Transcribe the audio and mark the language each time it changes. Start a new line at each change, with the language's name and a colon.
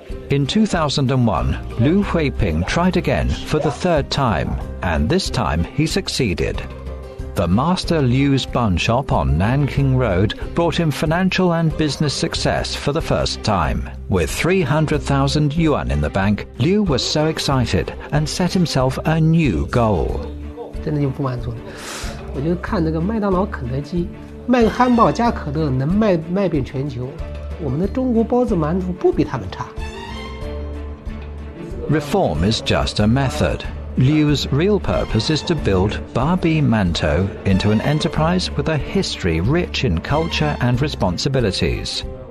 English: In 2001, Liu Huiping tried again for the third time, and this time he succeeded. The Master Liu's bun shop on Nanking Road brought him financial and business success for the first time. With 300,000 yuan in the bank, Liu was so excited and set himself a new goal.
Chinese: 真的就不满足了，我就看那个麦当劳、肯德基卖个汉堡加可乐能卖遍全球，我们的中国包子馒头不比他们差。
English: Reform is just a method. Liu's real purpose is to build Barbie Manto into an enterprise with a history rich in culture and responsibilities.